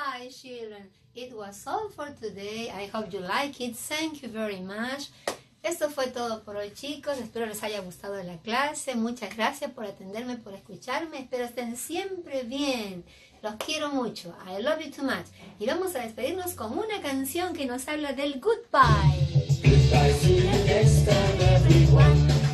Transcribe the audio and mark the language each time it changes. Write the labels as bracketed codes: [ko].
[en] Children, it was all for today. I hope you like it. Thank you very much. [es] Esto fue todo por hoy, chicos. Espero les haya gustado la clase. Muchas gracias por atenderme, por escucharme. Espero estén siempre bien. Los quiero mucho. [en] I love you too much. [es] Y vamos a despedirnos con una canción que nos habla del goodbye. [en] Goodbye to you, everyone.